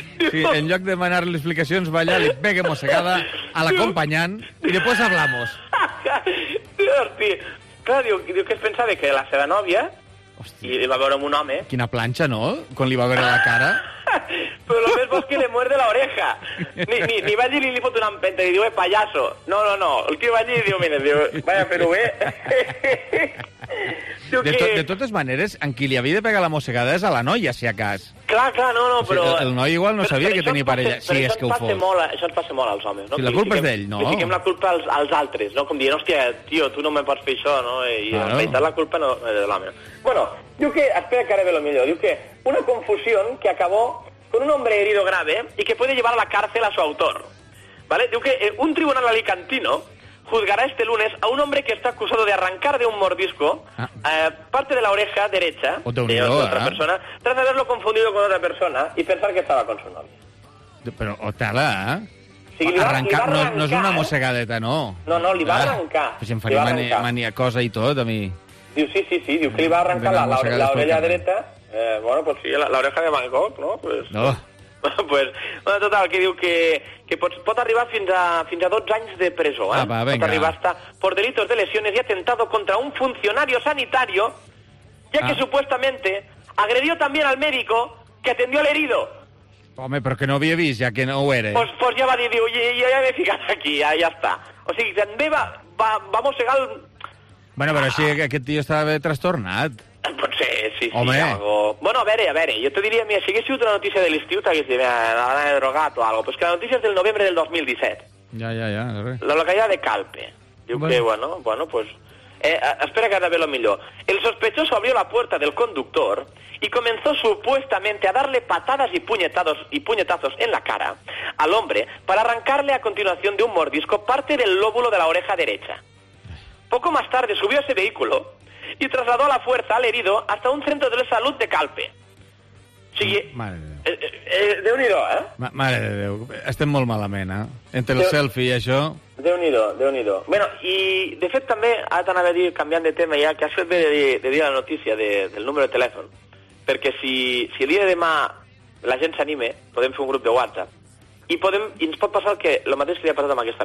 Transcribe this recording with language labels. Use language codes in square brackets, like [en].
[ca] Sí, en lloc de demanar les explicacions, va allà, li pega mossegada a l'acompanyant i després hablamos. Hosti, clar, diu que es pensava que la seva nòvia i li va veure amb un home. Quina planxa, no?, quan li va veure la cara. Però el més bo és que li [es] muerde la oreja. [ca] Ni va allí i li fot una empenta i diu, payaso. No, el tio va allí i diu, mira, diu, vaya Perú, De totes maneres, en qui li havia de pegar la mossegada és a la noia, si a cas. Clar, no, però... O sigui, el noi igual no sabia que tenia parella, si és que ho fos. Això et passa molt als homes, no? Si la culpa és d'ell, no? Fiquem la culpa als altres, no? Com dient, hòstia, tio, tu no me pots fer això, no? I en realitat la culpa no és de l'home. Bueno, diu que... Espera que ara ve lo millor. Diu que una confusió [es] que acabó con un hombre herido grave y que puede llevar a la cárcel a su autor. ¿Vale? [ca] Diu que [es] un tribunal alicantino juzgará este lunes a un hombre que está acusado de arrancar de un mordisco parte de la oreja derecha de otra persona tras haberlo confundido con otra persona y pensar que estaba con su novia. Pero, otala, ¿eh? Sí, arrancar no es una mossegadeta, ¿no? [ca] No, li va arrancar. Pues em faria maniacosa i tot, a mi. Diu, sí, diu que li va arrancar la orella dreta. [es] Bueno, pues sí, la oreja de Van Gogh, ¿no? Pues, no. [ca] Pues, bueno, total, que diu que pot arribar fins a 12 anys de presó. [es] Apa, venga. [ca] Pot arribar [es] hasta por delitos de lesiones y atentado contra un funcionario sanitario, ya que supuestamente agredió también al médico que atendió al herido. [ca] Home, però que no havia vist, ja que no ho era. Pues ja va dir, diu, jo ja m'he ficat aquí, ja està. O sigui, també va mossegar el... Bueno, però així aquest tio estava trastornat. Potser, sí, home. Sí, algo... Bueno, a veure, jo te diria, mira, si hagués sigut una notícia de l'estiu, t'hagués dit, mira, l'han drogat o algo. Pues que la notícia és del novembre del 2017. Ja, res. La localitat de Calpe. Diu bueno. Que, bueno, pues... espera que ara ve lo millor. [es] El sospechoso abrió la puerta del conductor y comenzó supuestamente a darle patadas y puñetazos en la cara al hombre para arrancarle a continuación de un mordisco parte del lóbulo de la oreja derecha. Poco más tarde subió a ese vehículo y trasladó a la fuerza al herido hasta un centro de salud de Calpe. Sí, [ca] Déu-n'hi-do, ¿eh? Mare de Déu, estem molt malament, ¿eh? Entre el selfie i això... Déu-n'hi-do. Bueno, i de fet també, ara t'anava a dir, canviant de tema ja, que has fet bé de dir la notícia del número de telèfon, perquè si el dia de demà la gent s'anime, podem fer un grup de WhatsApp, i ens pot passar que lo mateix que li ha passat amb aquesta